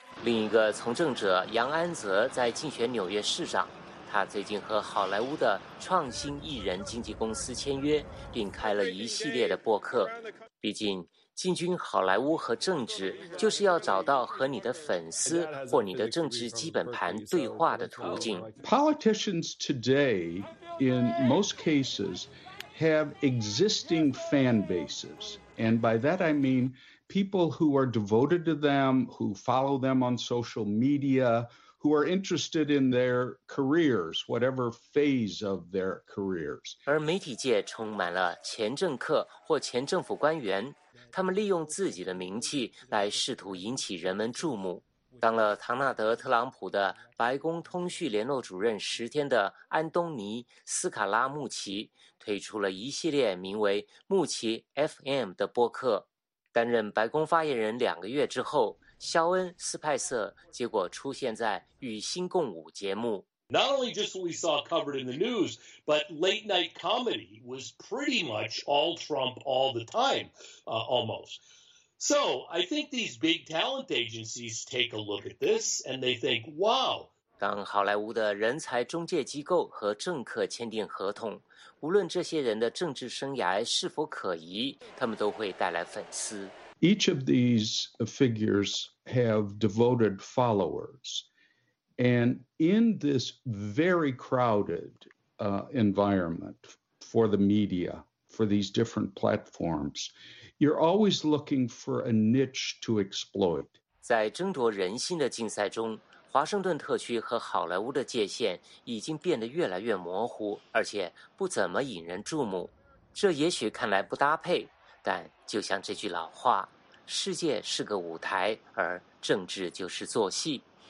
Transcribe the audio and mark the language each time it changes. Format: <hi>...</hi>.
<zh>另一个从政者杨安泽在竞选纽约市长，他最近和好莱坞的创新艺人经纪公司签约，并开了一系列的播客。毕竟进军好莱坞和政治，就是要找到和你的粉丝或你的政治基本盘对话的途径。</zh> <en>Politicians today, in most cases, have existing fan bases, and by that I mean people who are devoted to them, who follow them on social media, who are interested in their careers, whatever phase of their careers.</en> <zh>而媒体界充满了前政客或前政府官员。他们利用自己的名气来试图引起人们注目。当了唐纳德·特朗普的白宫通讯联络主任十天的安东尼·斯卡拉穆奇推出了一系列名为《穆奇 FM》的播客，担任白宫发言人两个月之后，肖恩·斯派瑟结果出现在《与新共舞》节目。</zh> <en>Not only just what we saw covered in the news, but late night comedy was pretty much all Trump all the time, almost. So I think these big talent agencies take a look at this and they think, wow.</en> <zh>当好莱坞的人才中介机构和政客签订合同，无论这些人的政治生涯是否可疑，他们都会带来粉丝。</zh> <en>Each of these figures have devoted followers. And in this very crowded environment for the media, for these different platforms, you're always looking for a niche to exploit.</en> <zh>在争夺人心的竞赛中，华盛顿特区和好莱坞的界限已经变得越来越模糊，而且不怎么引人注目。这也许看来不搭配，但就像这句老话，世界是个舞台，而政治就是做戏。</zh>